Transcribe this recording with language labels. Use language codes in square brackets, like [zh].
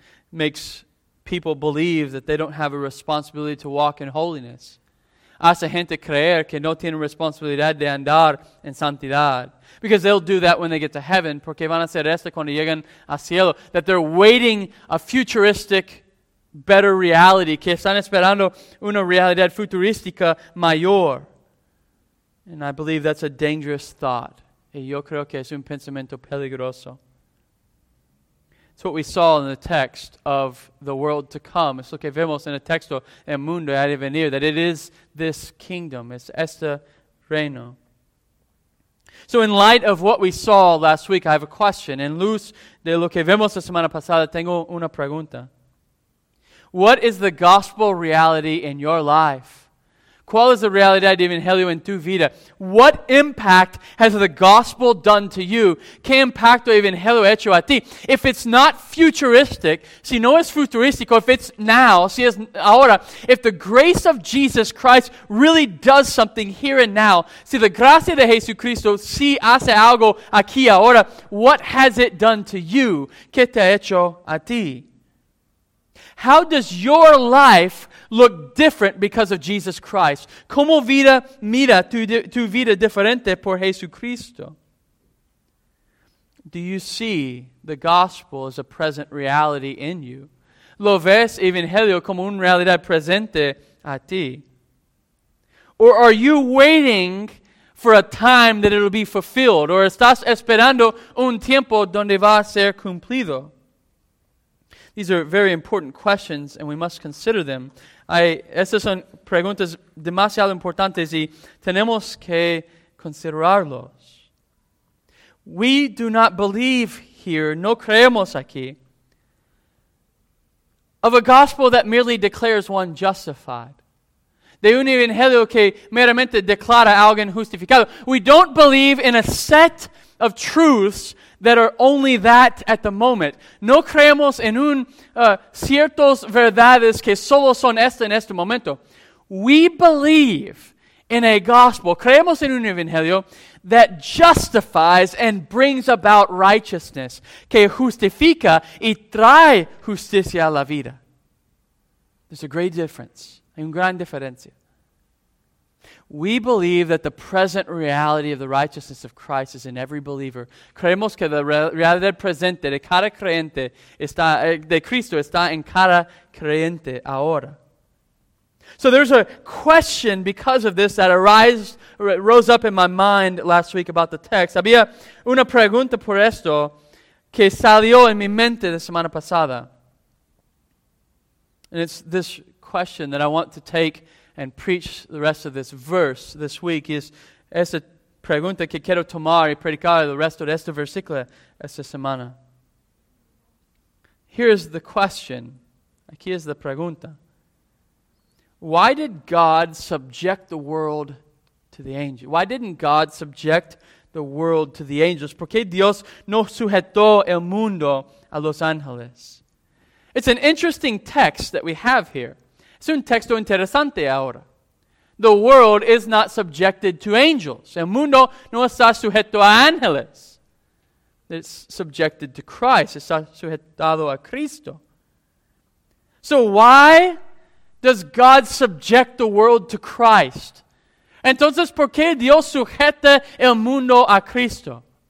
[en] Makes people believe that they don't have a responsibility to walk in holiness. [es] Hace gente creer que no tiene responsabilidad de andar en santidad. [en] Because they'll do that when they get to heaven, [es] porque van a hacer esto cuando lleguen a cielo. [en] That they're waiting a futuristic better reality, [es] que están esperando una realidad futurística mayor. [en] And I believe that's a dangerous thought. [es] Y yo creo que es un pensamiento peligroso. [en] It's what we saw in the text of the world to come. [es] Es lo que vemos en el texto, el mundo ha de venir, [en] that it is this kingdom. [es] Es este reino. [en] So in light of what we saw last week, I have a question. [es] En luz de lo que vemos la semana pasada, tengo una pregunta. [en] What is the gospel reality in your life? [es] ¿Cuál es la realidad del Evangelio en tu vida? [en] What impact has the gospel done to you? [es] ¿Qué impacto el Evangelio ha hecho a ti? [en] If it's not futuristic, [es] si no es futurístico, [en] if it's now, [es] si es ahora, [en] if the grace of Jesus Christ really does something here and now, [es] si la gracia de Jesucristo si hace algo aquí ahora, [en] what has it done to you? [es] ¿Qué te ha hecho a ti? [en] How does your life look different because of Jesus Christ? [es] ¿Cómo vida mira tu vida diferente por Jesucristo? [en] Do you see the gospel as a present reality in you? [es] ¿Lo ves Evangelio como una realidad presente a ti? [en] Or are you waiting for a time that it will be fulfilled? [es] ¿Or estás esperando un tiempo donde va a ser cumplido? [en] These are very important questions, and we must consider them. [es] Estas son preguntas demasiado importantes, y tenemos que considerarlos. [en] We do not believe here, [es] no creemos aquí, [en] of a gospel that merely declares one justified. [es] De un evangelio que meramente declara alguien justificado. [en] We don't believe in a set of truths that are only that at the moment. [es] No creemos en ciertas verdades que solo son estas en este momento. [en] We believe in a gospel, [es] creemos en un evangelio, [en] that justifies and brings about righteousness, [es] que justifica y trae justicia a la vida. [en] There's a great difference, [es] hay una gran diferencia. [en] We believe that the present reality of the righteousness of Christ is in every believer. [es] Creemos que la realidad presente de cada creyente está de Cristo está en cada creyente ahora. [en] So there's a question because of this that rose up in my mind last week about the text. [es] Había una pregunta por esto que salió en mi mente la semana pasada. [en] And it's this question that I want to take and preach the rest of this verse this week is [es] esa pregunta que quiero tomar y predicar el resto de este versículo esta semana. [en] Here's the question. [es] Aquí es la pregunta. [en] Why did God subject the world to the angels? Why didn't God subject the world to the angels? [es] ¿Por qué Dios no sujetó el mundo a los ángeles? [en] It's an interesting text that we have here. [es] Es un texto interesante ahora. [en] The world is not subjected to angels. [es] El mundo no está sujeto a ángeles. [en] It's subjected to Christ. [es] Está sujetado a Cristo. [en] So why does God subject the world to Christ? [es] Entonces, ¿por qué Dios sujeta el mundo a Cristo?